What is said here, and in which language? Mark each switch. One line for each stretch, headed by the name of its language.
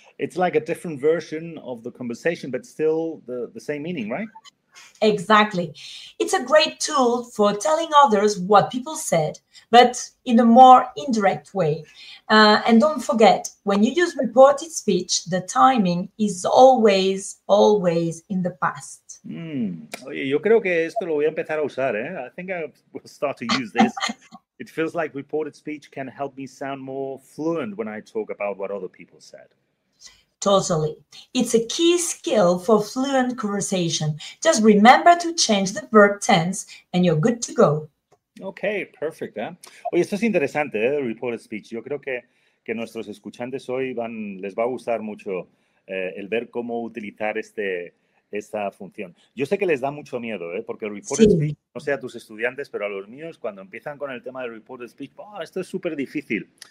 English: It's like a different version of the conversation, but still the same meaning, right? Exactly. It's a great tool for telling others what people said, but in a more indirect way. And don't forget, when you use reported speech, the timing is always, always in the past.
Spanish: Oye, yo creo que esto lo voy a empezar a usar, ¿eh?
English: I think I will start to use this. It feels like reported speech can help me sound more fluent when I talk about what other people said. Totally. It's a key skill for fluent conversation. Just remember to change the verb tense and you're good to go. Okay, perfect.
Spanish: Oye, esto es interesante, reported speech. Yo creo que nuestros escuchantes hoy les va a gustar mucho el ver cómo utilizar esta función. Yo sé que les da mucho miedo, porque el reported speech, no sé a tus estudiantes, pero a los míos, cuando empiezan con el tema del reported speech, esto es súper difícil.